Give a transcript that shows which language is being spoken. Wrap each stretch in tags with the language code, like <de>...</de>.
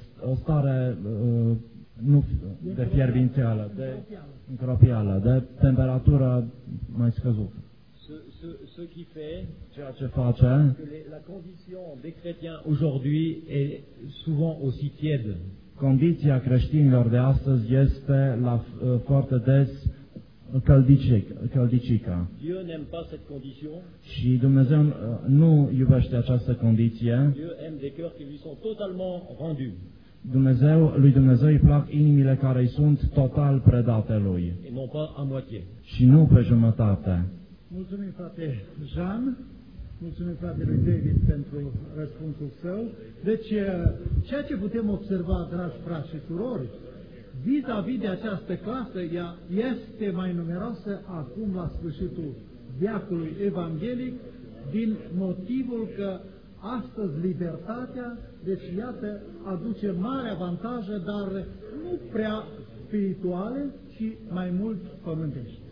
<ro>O stare nu de fierbințeală, de încropială, de temperatură mai scăzută.</ro> <fr>Ce qui fait,</fr> <ro>ceea ce face,</ro> <fr>la condition des chrétiens aujourd'hui est souvent aussi tiède.</fr> <ro>Condiția creștinilor de astăzi este la foarte des căldicică.</ro> <fr>Dieu n'aime pas cette condition.</fr> <ro>Și Dumnezeu nu iubește această condiție.</ro> <fr>Dieu aime des cœurs qui lui sont totalement rendus.</fr> <ro>Lui Dumnezeu îi plac inimile care îi sunt total predate lui.</ro> <fr>Et non pas à moitié.</fr> <ro>Și nu pe jumătate. Mulțumim, frate Jean. Mulțumim, fratelui David, pentru răspunsul său. Deci, ceea ce putem observa, dragi frați și surori, vis-a-vis de această clasă, ea este mai numeroasă acum la sfârșitul veacului evanghelic, din motivul că astăzi libertatea, deci iată, aduce mare avantaje, dar nu prea spirituale, ci mai mult pământești.</ro>